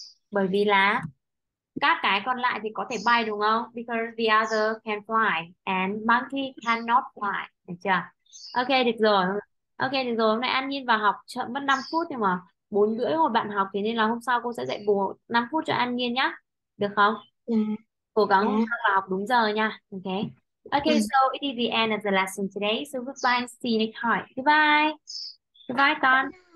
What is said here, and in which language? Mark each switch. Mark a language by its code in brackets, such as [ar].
[vi] Bởi vì là các cái còn lại thì có thể bay đúng không? [en] Because the other can fly and monkey cannot fly. [vi] Được chưa? Ok, được rồi. Ok, được rồi. Hôm nay An Nhiên vào học chậm mất 5 phút nhưng mà 4 rưỡi hồi bạn học, thế nên là hôm sau cô sẽ dạy bù 5 phút cho An Nhiên nhá. Được không? Cố gắng hôm sau vào học đúng giờ nha. Ok. [en] Ok, so it is the end of the lesson today. So goodbye, see you next time. Goodbye. Goodbye, con.